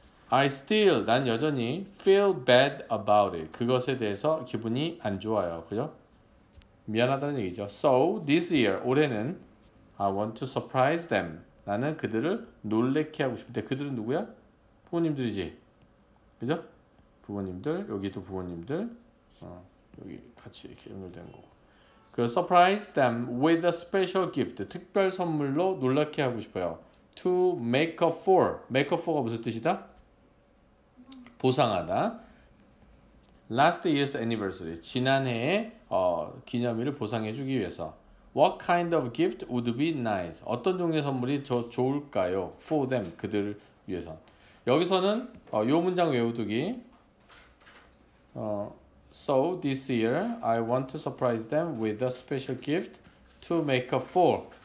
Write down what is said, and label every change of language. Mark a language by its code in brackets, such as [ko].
[en] I still [ko] 난 여전히 [en] feel bad about it. [ko] 그것에 대해서 기분이 안 좋아요. 그죠? 미안하다는 얘기죠. [en] So this year [ko] 올해는 [en] I want to surprise them. [ko] 나는 그들을 놀래키 하고 싶은데 그들은 누구야? 부모님들이지. 그죠? 부모님들 여기도 부모님들 여기 같이 이렇게 연결된 거고. [en] 그 surprise them with a special gift. [ko] 특별 선물로 놀라게 하고 싶어요. [en] To make up for. make up for가 [ko] 무슨 뜻이다? 보상하다. [en] Last year's anniversary. [ko] 지난해의 기념일을 보상해 주기 위해서. [en] What kind of gift would be nice? [ko] 어떤 종류의 선물이 더 좋을까요? [en] For them. [ko] 그들을 위해서. 여기서는 요 문장 외우두기. [en] So this year, I want to surprise them with a special gift to make up for.